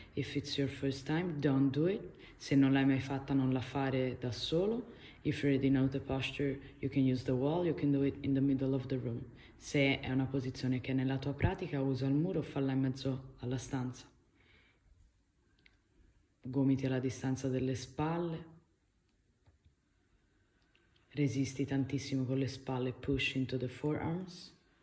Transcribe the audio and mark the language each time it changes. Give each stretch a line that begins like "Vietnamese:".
English: If it's your first time, don't do it.
Italian: Se non l'hai mai fatta, non la fare da solo.
English: If you already know the posture, you can use the wall, you can do it in the middle of the room.
Italian: Se è una posizione che è nella tua pratica, usa il muro o falla in mezzo alla stanza. Gomiti alla distanza delle spalle. Resisti tantissimo con le spalle.
English: Push into the forearms.